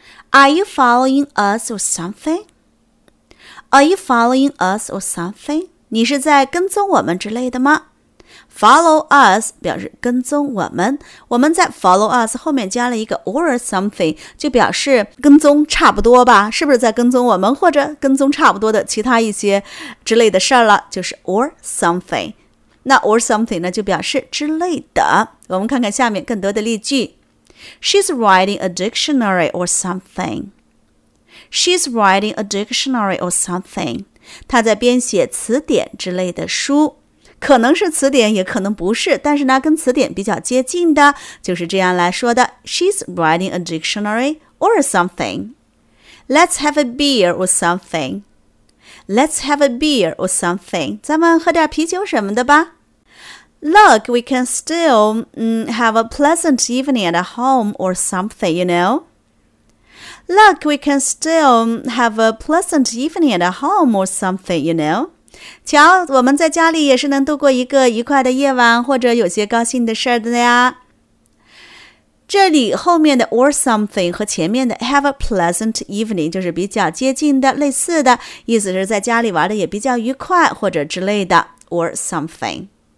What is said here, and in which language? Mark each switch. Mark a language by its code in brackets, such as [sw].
[en] Are you following us or somethingAre you following us or something? [zh] 你是在跟踪我们之类的吗？ Follow us 表示跟踪我们。我们在 follow us 后面加了一个 or something，就表示跟踪差不多吧，是不是在跟踪我们，或者跟踪差不多的其他一些之类的事了，就是 or something。那 or something 呢就表示之类的。我们看看下面更多的例句。 [en] She's writing a dictionary or somethingShe's writing a dictionary or something. [zh] 她在编写词典之类的书，可能是词典，也可能不是，但是呢，跟词典比较接近的，就是这样来说的。 [en] She's writing a dictionary or something. Let's have a beer or something. Let's have a beer or something. 咱们喝点啤酒什么的吧。 Look, we can still have a pleasant evening at home or something, you know. Look, we can still have a pleasant evening at home or something, you know. [zh] 瞧，我们在家里也是能度过一个愉快的夜晚，或者有些高兴的事儿的呀。这里后面的 or something 和前面的 have a pleasant evening 就是比较接近的、类似的，意思是在家里玩的也比较愉快，或者之类的 or something。